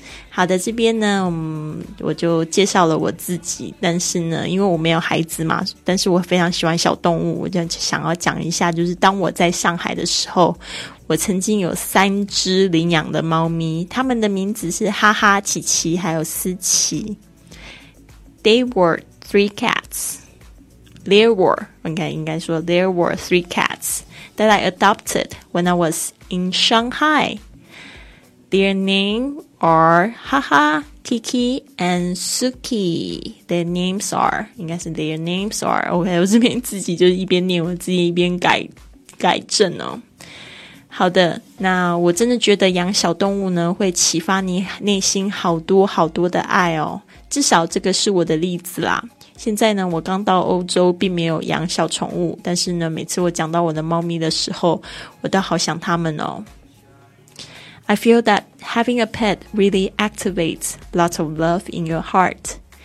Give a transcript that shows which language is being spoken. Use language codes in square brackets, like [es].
[zh] 好的，这边呢我就介绍了我自己，但是呢因为我没有孩子嘛，但是我非常喜欢小动物，我就想要讲一下，就是当我在上海的时候，我曾经有三只领养的猫咪，它们的名字是哈哈、琪琪还有思琪。 [en] They were three cats. There were， okay， [zh] 应该说 [en] There were three cats that I adopted when I was in Shanghai. Their name are Haha, Kiki, and Suki. Their names are, [zh] 应该是 [en] their names are. OK, [zh] 我这边自己就一边念，我自己一边改正哦。好的，那我真的觉得养小动物呢，会启发你内心好多好多的爱哦。至少这个是我的例子啦。现在呢，我刚到欧洲，并没有养小宠物，但是呢，每次我讲到我的猫咪的时候，我都好想它们哦。 [en] I feel that having a pet really activates lots of love in your heart.